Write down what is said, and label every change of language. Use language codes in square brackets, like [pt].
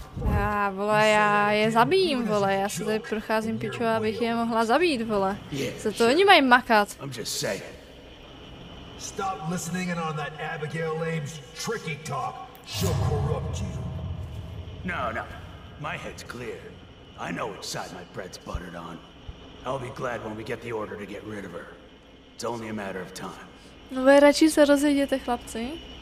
[cs] Já, vole, já je zabijím, vole, já se tady procházím pičo, abych je mohla zabít, vole. Za to oni mají makat. [en] Stop listening in on that Abigail Ames tricky talk. She'll corrupt you. No, no. My head's clear. I know which side my bread's buttered on. I'll be glad when we get the order to get rid of her. It's only a matter of time. [cs] No, vy radši se rozejděte, chlapci.